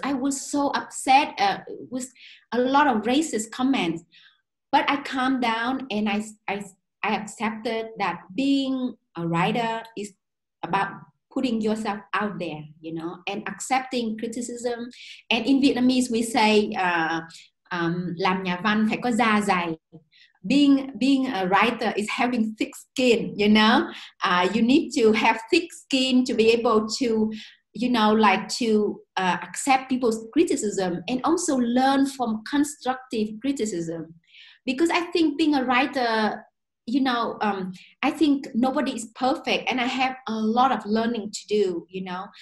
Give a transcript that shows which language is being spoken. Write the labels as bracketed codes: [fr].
[en] I was so upset with a lot of racist comments, but I calmed down and I accepted that being a writer is about putting yourself out there, you know, and accepting criticism. And in Vietnamese, we say, [vi] làm nhà văn phải có da dày. [en] Being a writer is having thick skin, you know. You need to have thick skin to be able to, you know, like to accept people's criticism and also learn from constructive criticism. Because I think being a writer, you know, I think nobody is perfect and I have a lot of learning to do, you know.